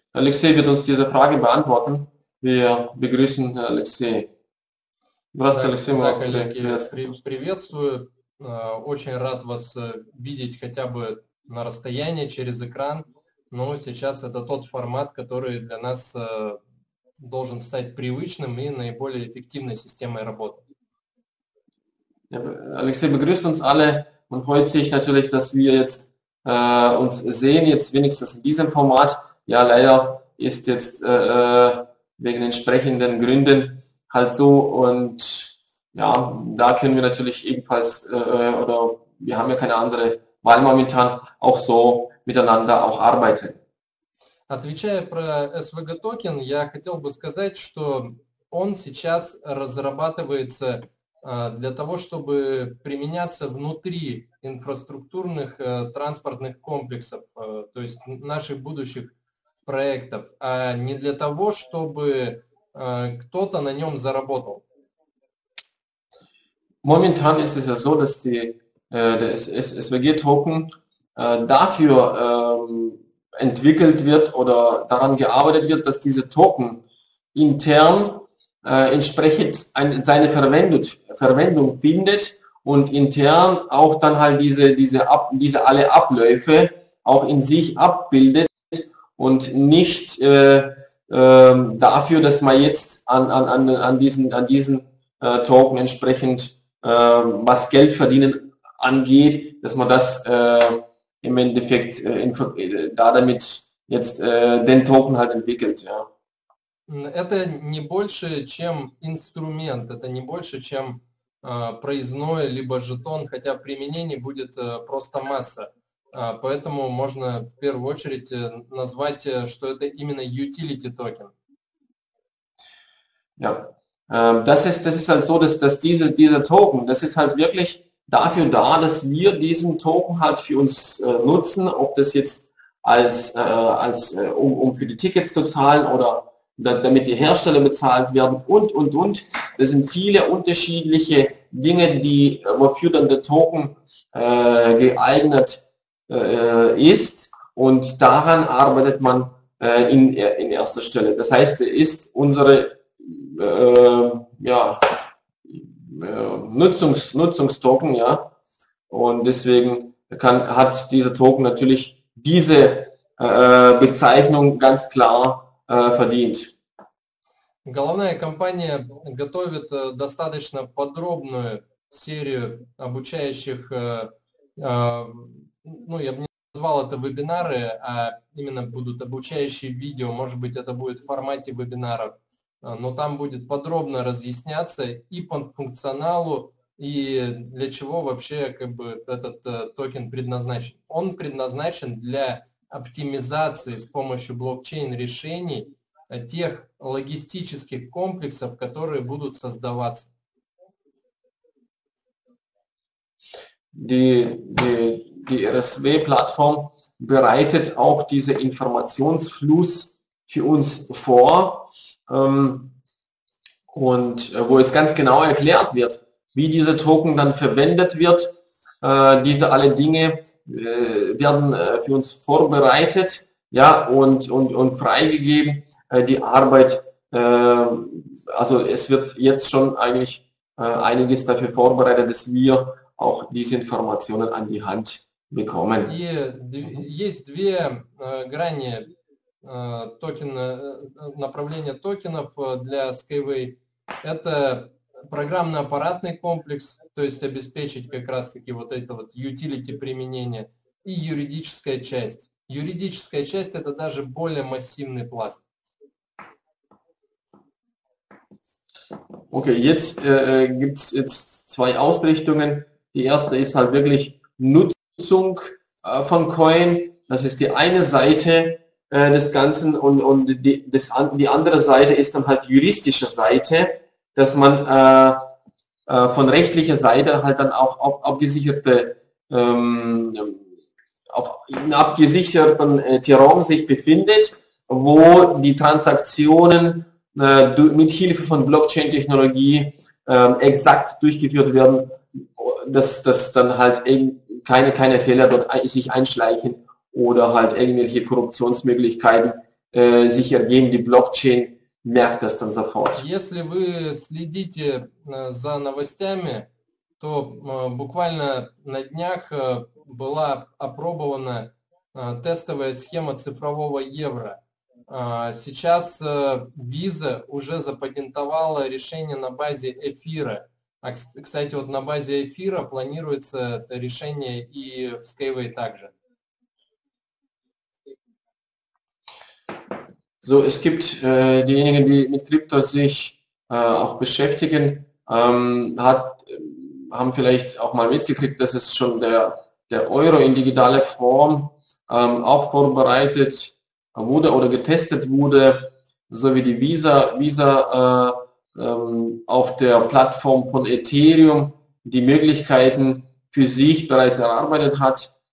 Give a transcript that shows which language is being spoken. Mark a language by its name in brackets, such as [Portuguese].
[German] Алексей wird uns diese Frage beantworten. Wir begrüßen Алексей. [Russian] Здравствуйте, Алексей. Да, коллеги, приветствую. Очень рад вас видеть хотя бы на расстоянии через экран. Но сейчас это тот формат, который для нас должен стать привычным и наиболее эффективной системой работы. [German] Алексей begrüßt uns alle. Man freut sich natürlich, dass wir jetzt uns sehen, jetzt wenigstens in diesem Format. Ja, leider ist jetzt wegen entsprechenden Gründen halt so. Und ja, da können wir natürlich ebenfalls, oder wir haben ja keine andere Wahl momentan, auch so miteinander auch arbeiten. [Russian] Отвечая про SVG-токен, я хотел бы сказать, что он сейчас разрабатывается для того, чтобы применяться внутри инфраструктурных транспортных комплексов, то есть наших будущих проектов, а не для того, чтобы кто-то на нем заработал. [German] Momentan ist es ja so, dass der SVG-Token dafür entwickelt wird oder daran gearbeitet wird, dass diese Token intern entsprechend seine Verwendung findet und intern auch dann halt diese alle Abläufe auch in sich abbildet und nicht dafür, dass man jetzt an diesen Token entsprechend, was Geld verdienen angeht, dass man das im Endeffekt damit jetzt den Token halt entwickelt. Ja. [Russian] Это не больше, чем инструмент, это не больше, чем проездной, либо жетон, хотя применение будет просто масса. Поэтому можно в первую очередь назвать, что это именно utility token. [German] Ja, das ist halt so, dass dieser Token, das ist halt wirklich dafür da, dass wir diesen Token halt für uns nutzen, ob das jetzt als für die Tickets zu zahlen oder damit die Hersteller bezahlt werden und. Das sind viele unterschiedliche Dinge, die wofür dann der Token geeignet ist, und daran arbeitet man in erster Stelle. Das heißt, er ist unsere Nutzungstoken, ja. Und deswegen hat dieser Token natürlich diese Bezeichnung ganz klar verdient. [Russian] Головная компания готовит достаточно подробную серию обучающих, я бы не назвал это вебинары, а именно будут обучающие видео, может быть, это будет в формате вебинаров, но там будет подробно разъясняться и по функционалу, и для чего вообще как бы этот токен предназначен. Он предназначен для оптимизации с помощью блокчейн-решений тех логистических комплексов, которые будут создаваться. [German] Die RSW-Plattform bereitet auch diesen Informationsfluss für uns vor, und wo es ganz genau erklärt wird, wie dieser Token dann verwendet wird. Diese alle Dinge werden für uns vorbereitet, ja, und freigegeben. Die Arbeit, also es wird jetzt schon eigentlich einiges dafür vorbereitet, dass wir auch diese Informationen an die Hand bekommen. [Russian] Есть две грани токена, направления токенов для Skyway. Это программно-аппаратный комплекс, то есть обеспечить как раз-таки вот это вот utility применение, и юридическая часть. Юридическая часть – это даже более массивный пласт. [German] Okay, jetzt gibt es jetzt zwei Ausrichtungen. Die erste ist halt wirklich Nutzung von Coin. Das ist die eine Seite des Ganzen, und die andere Seite ist dann halt juristische Seite, dass man von rechtlicher Seite halt dann auch abgesicherten Terrain sich befindet, wo die Transaktionen mit Hilfe von Blockchain-Technologie exakt durchgeführt werden, dass dann halt eben keine Fehler dort sich einschleichen oder halt irgendwelche Korruptionsmöglichkeiten sich ergeben. Die Blockchain merkt das dann sofort. [Russian] Если вы следите за новостями, то буквально на днях была опробована тестовая схема цифрового евро. Сейчас Visa уже запатентовала решение на базе эфира. А, кстати, вот на базе эфира планируется это решение и в Skyway также. [German] So, es gibt diejenigen, die mit Krypto sich auch beschäftigen, haben vielleicht auch mal mitgekriegt, dass es schon der Euro in digitaler Form auch vorbereitet wurde oder getestet wurde, so wie die Visa auf der Plattform von Ethereum die Möglichkeiten für sich bereits erarbeitet hat.